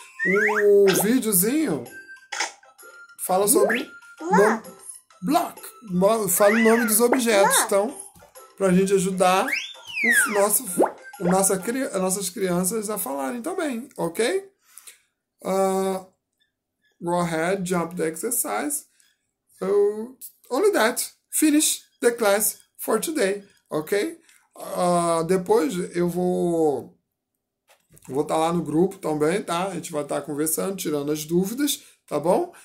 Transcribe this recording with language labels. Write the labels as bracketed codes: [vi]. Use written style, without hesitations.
[pt] O videozinho fala sobre nome, [en] Blocks. [pt] block. Fala o nome dos objetos, [en] Blocks. [pt] então, para a gente ajudar as nossas crianças a falarem também, ok? [en] Go ahead, jump the exercise. Only that. Finish the class for today, ok? [pt] Depois eu vou estar tá lá no grupo também, tá? A gente vai estar tá conversando, tirando as dúvidas, tá bom?